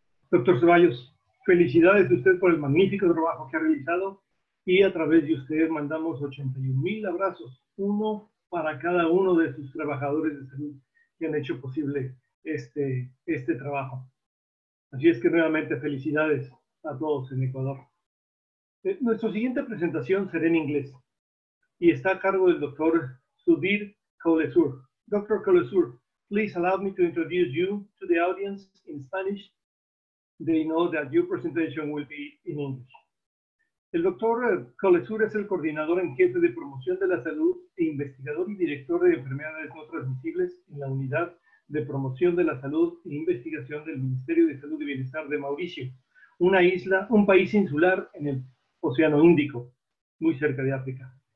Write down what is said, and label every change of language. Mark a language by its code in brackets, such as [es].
[es] Doctor Ceballos, felicidades de usted por el magnífico trabajo que ha realizado y a través de usted mandamos 81,000 abrazos, uno para cada uno de sus trabajadores de salud que han hecho posible este trabajo. Así es que nuevamente felicidades a todos en Ecuador. Nuestra siguiente presentación será en inglés y está a cargo del Dr. Sudhir Kolesur. Dr. [en] Kolesur, please allow me to introduce you to the audience in Spanish. They know that your presentation will be in English. [es] El Dr. Kolesur es el coordinador en jefe de promoción de la salud e investigador y director de enfermedades no transmisibles en la unidad de promoción de la salud e investigación del Ministerio de Salud y Bienestar de Mauricio, una isla, un país insular en el Océano Índico, muy cerca de África.